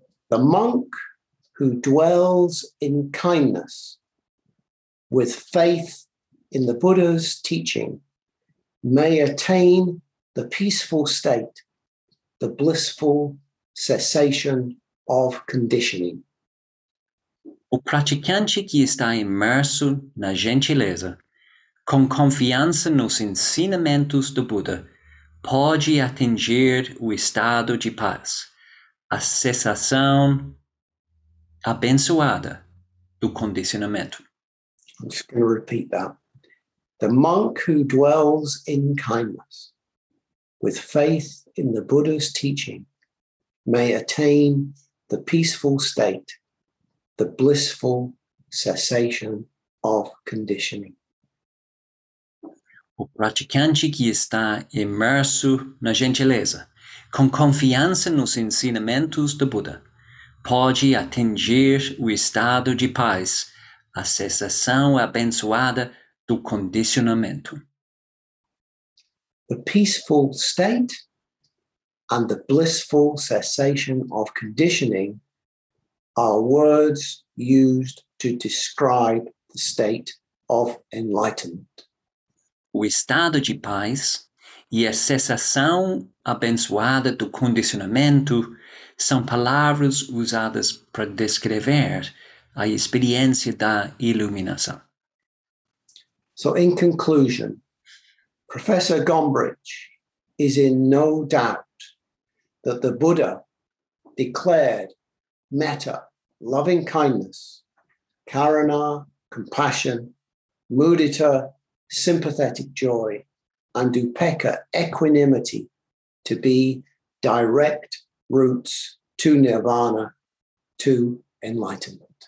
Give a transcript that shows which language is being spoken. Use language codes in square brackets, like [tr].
[en] The monk who dwells in kindness with faith in the Buddha's teaching may attain the peaceful state, the blissful cessation of conditioning. [pt] O praticante que está imerso na gentileza, com confiança nos ensinamentos do Buda, pode atingir o estado de paz, a cessação abençoada do condicionamento. [en] I'm just going to repeat that. The monk who dwells in kindness, with faith in the Buddha's teaching, may attain the peaceful state, the blissful cessation of conditioning. [pt] O praticante que está imerso na gentileza, com confiança nos ensinamentos do Buda, pode atingir o estado de paz, a cessação abençoada do condicionamento. [en] The peaceful state and the blissful cessation of conditioning are words used to describe the state of enlightenment. [pt] O estado de paz e a cessação abençoada do condicionamento são palavras usadas para descrever a experiência da iluminação. [en] So, in conclusion, Professor Gombrich is in no doubt that the Buddha declared metta, loving kindness, karuna, compassion, mudita, sympathetic joy, and upekkha, equanimity, to be direct routes to nirvana, to enlightenment.